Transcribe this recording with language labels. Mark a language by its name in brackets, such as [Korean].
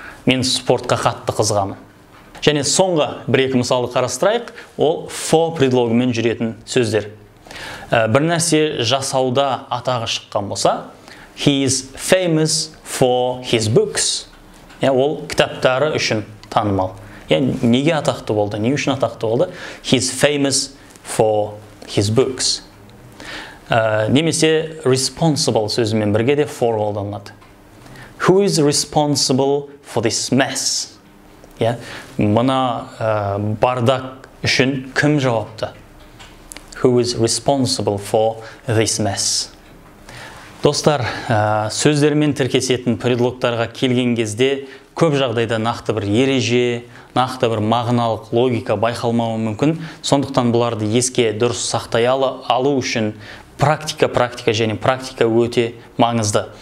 [Kazakh] Мен спортқа қатты қызығамын. Және соңғы бір-екі мысалды қарастырайық, ол for предлогымен жүретін сөздер. Бір нәрсе жасауда атағы шыққан болса, [English] he is famous for his books. [Kazakh] Ол кітаптары үшін танымал. Неге атақты болды, не үшін атақты болды? [English] He is famous for his books. [Kazakh] Немесе responsible сөзімен бірге де for қолданылады. [English] Who is responsible for this mess? [Kazakh] Мына бардак үшін кім жауапты? [English] Who is responsible for this mess? [Kazakh] Достар, сөздермен тіркесетін предлогтарға келген кезде көп жағдайда нақты бір ереже, нақты бір мағыналық логика байқалмауы мүмкін. Сондықтан бұларды еске дұрыс сақтай алу үшін практика және практика өте маңызды.